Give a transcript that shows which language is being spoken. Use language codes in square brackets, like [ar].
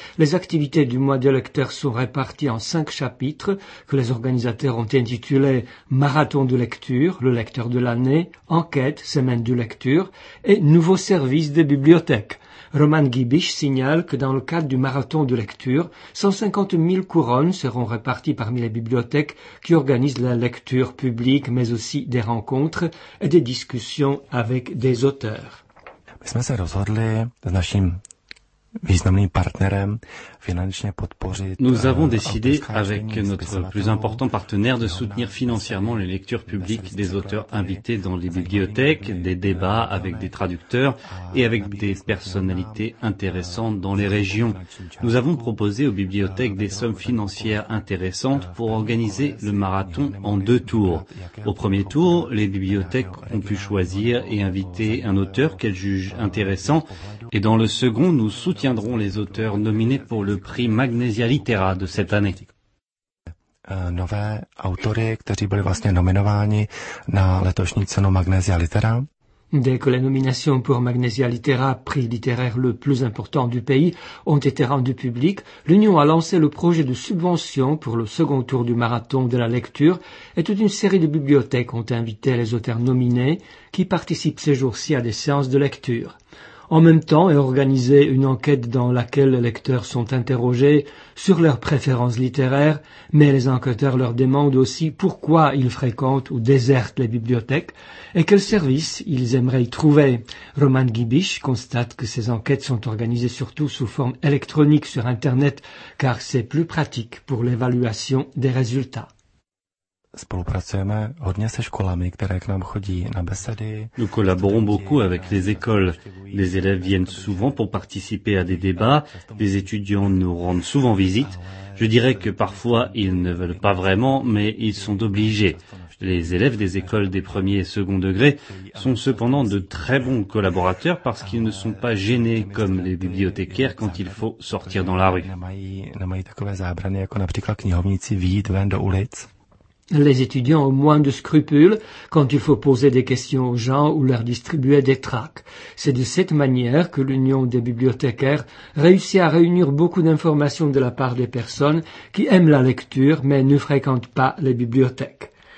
[fr] Les activités du mois des lecteurs sont réparties en 5 chapitres que les organisateurs ont intitulés « Marathon de lecture », « Le lecteur de l'année », « Enquête », « Semaine de lecture » et « Nouveaux services des bibliothèques ». Roman Gibich signale que dans le cadre du marathon de lecture, 150 000 couronnes seront réparties parmi les bibliothèques qui organisent la lecture publique, mais aussi des rencontres et des discussions avec des auteurs. Nous avons décidé avec notre [cs] významným partnerem finančně podpořit. [fr] Nous avons décidé avec notre plus important partenaire de soutenir financièrement les lectures publiques des auteurs invités dans les bibliothèques, des débats avec des traducteurs et avec des personnalités intéressantes dans les régions. Nous avons proposé aux bibliothèques des sommes financières intéressantes pour organiser le marathon en 2 tours. Au premier tour, les bibliothèques ont pu choisir et inviter un auteur qu'elles jugent intéressant. Et dans le second, nous soutiendrons les auteurs nominés pour le prix Magnesia Litera de cette année. [cs] Nové autory, kteří byli vlastně nominováni na letošní cenu Magnesia Litera. [fr] Dès que les nominations pour Magnesia Litera, prix littéraire le plus important du pays, ont été rendues publiques, l'Union a lancé le projet de subvention pour le second tour du marathon de la lecture et toute une série de bibliothèques ont invité les auteurs nominés qui participent ces jours-ci à des séances de lecture. en même temps et organiser une enquête dans laquelle les lecteurs sont interrogés sur leurs préférences littéraires, mais les enquêteurs leur demandent aussi pourquoi ils fréquentent ou désertent les bibliothèques et quels services ils aimeraient y trouver. Roman Gibisch constate que ces enquêtes sont organisées surtout sous forme électronique sur Internet, car c'est plus pratique pour l'évaluation des résultats. [cs] Spolupracujeme hodně se školami, které k nám chodí na besedy. [fr] Nous collaborons beaucoup avec les écoles. Les élèves viennent souvent pour participer à des débats. Les étudiants nous rendent souvent visite. Je dirais que parfois ils ne veulent pas vraiment, mais ils sont obligés. Les élèves des écoles des premiers et second degrés sont cependant de très bons collaborateurs parce qu'ils ne sont pas gênés comme les bibliothécaires quand il faut sortir dans la rue. [cs] Nemají takové zábrany jako například knihovníci vyjít ven do ulic. [fr] Les étudiants ont moins de scrupules quand il faut poser des questions aux gens ou leur distribuer des tracts. C'est de cette manière que l'Union des bibliothécaires réussit à réunir beaucoup d'informations de la part des personnes qui aiment la lecture mais ne fréquentent pas les bibliothèques.